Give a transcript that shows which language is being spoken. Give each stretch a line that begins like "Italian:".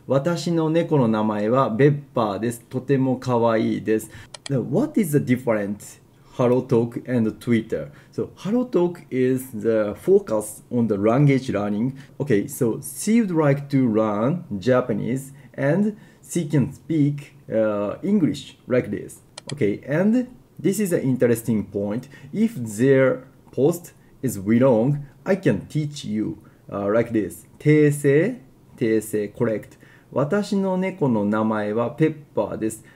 Japanese: 私の猫の名前はベッパーです。とても可愛いです。
English: What is the difference Hellotalk and Twitter? So, Hellotalk is the focus on the language learning. Okay, so she would like to learn Japanese and she can speak English like this. Okay, and this is an interesting point. If their post is wrong, I can teach you like this.
Japanese: 訂正訂正 correct. 私の猫の名前はペッパーです。